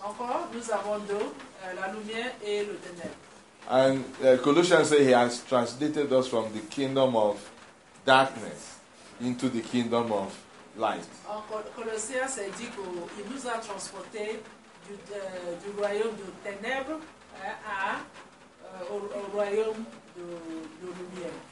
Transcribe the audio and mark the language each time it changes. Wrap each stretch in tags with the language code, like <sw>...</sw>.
<fr>Encore, nous avons deux, la lumière et le ténèbres.</fr> <en>And Colossians say he has translated us from the kingdom of darkness into the kingdom of light.</en> <fr>En Colossiens, c'est dit qu'il nous a transporté du royaume de ténèbres au royaume de lumière.</fr>